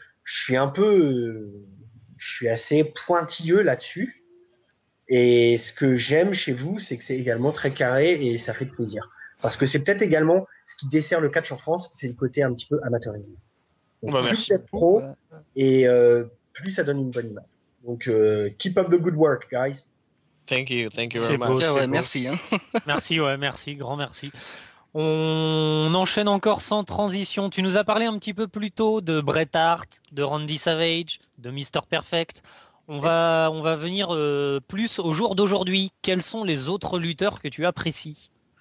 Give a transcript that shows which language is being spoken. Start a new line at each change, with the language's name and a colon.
French: Je suis un peu... Je suis assez pointilleux là-dessus. Et ce que j'aime chez vous, c'est que c'est également très carré et ça fait plaisir. Parce que c'est peut-être également ce qui dessert le catch en France, c'est le côté un petit peu amateurisme. Bah, plus merci. D'être pro, et plus ça donne une bonne image.
English: Donc, keep up the good work, guys. Thank you very much.
French: Beau, ouais, merci. Hein. Merci, ouais, merci, grand merci. On enchaîne encore sans transition. Tu nous as parlé un petit peu plus tôt de Bret Hart, de Randy Savage, de Mr. Perfect. On va venir plus au jour d'aujourd'hui. Quels sont les autres lutteurs que tu apprécies?